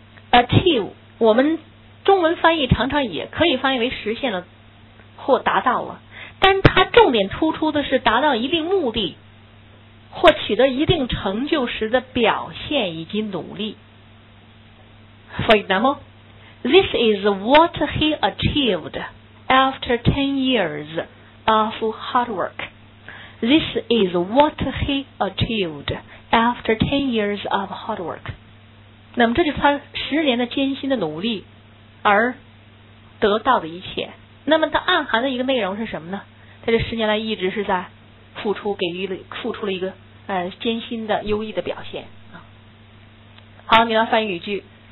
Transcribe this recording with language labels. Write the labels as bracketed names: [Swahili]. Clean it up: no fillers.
[Chinese] Achieve 我们中文翻译常常也可以翻译为实现了或达到了，但它重点突出的是达到一定目的或取得一定成就时的表现以及努力。 [English] For example, this is what he achieved after 10 years of hard work. This is what he achieved after 10 years of hard work. [Chinese] 那么这就是他十年的艰辛的努力而得到的一切。那么他暗含的一个内容是什么呢？他这十年来一直是在付出，给予了付出了一个艰辛的优异的表现。好，你来翻译语句。